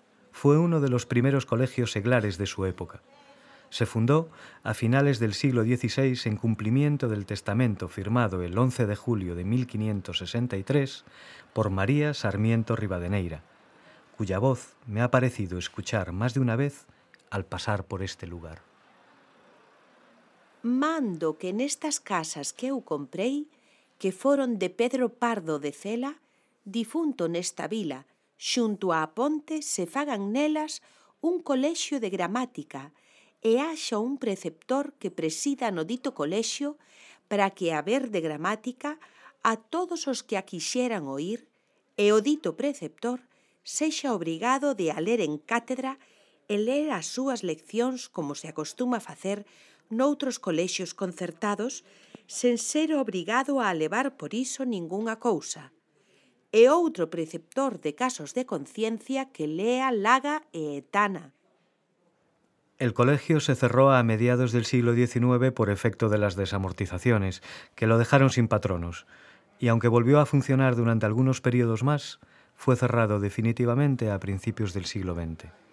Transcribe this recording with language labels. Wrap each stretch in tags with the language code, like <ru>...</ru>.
<es>Fue uno de los primeros colegios seglares de su época. Se fundó a finales del siglo XVI en cumplimiento del testamento firmado el 11 de julio de 1563 por María Sarmiento Rivadeneira, cuya voz me ha parecido escuchar más de una vez al pasar por este lugar.</es> <gl>Mando que en estas casas que eu comprei, que foron de Pedro Pardo de Cela, difunto nesta vila, xunto á ponte, se fagan nelas un colexio de gramática e haxa un preceptor que presida no dito colexio para que haber de gramática a todos os que a quixeran oír e o dito preceptor sexa obrigado de a ler en cátedra e ler as súas leccións como se acostuma facer noutros colexios concertados, sen ser obrigado a levar por iso ningunha cousa, e outro preceptor de casos de conciencia que lea Laga e Etana.</gl> <es>El colegio se cerró a mediados del siglo XIX por efecto de las desamortizaciones, que lo dejaron sin patronos, y aunque volvió a funcionar durante algunos períodos más, fue cerrado definitivamente a principios del siglo XX.</es>